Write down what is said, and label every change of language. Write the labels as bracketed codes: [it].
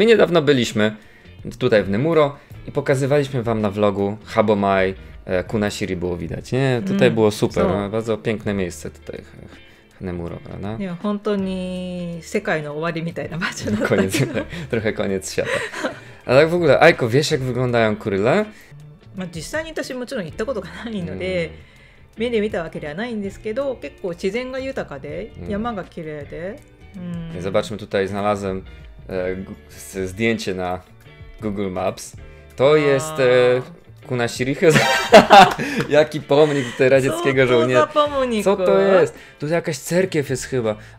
[pl] My niedawno byliśmy tutaj w Nemuro i pokazywaliśmy Wam na vlogu Habomai, Kunashiri było widać. Nie, tutaj było super, so. Bardzo piękne miejsce tutaj. Nemuro, prawda? Nie, [ja] hontoni sekai no owari mitai na bacio. [pl] Trochę koniec świata. A tak w ogóle, Aiko, wiesz jak wyglądają kuryle? [ja] まあ、実際に私もちろん行ったことがないので、目で見たわけではないんですけど、結構自然が豊かで、山が綺麗で。 [pl] Zobaczmy tutaj, znalazłem zdjęcie na Google Maps. To jest Kunashiri. Jaki pomnik tutaj radzieckiego żołnierza. Co to za pomnik? Co to jest? To jakaś cerkiew jest chyba.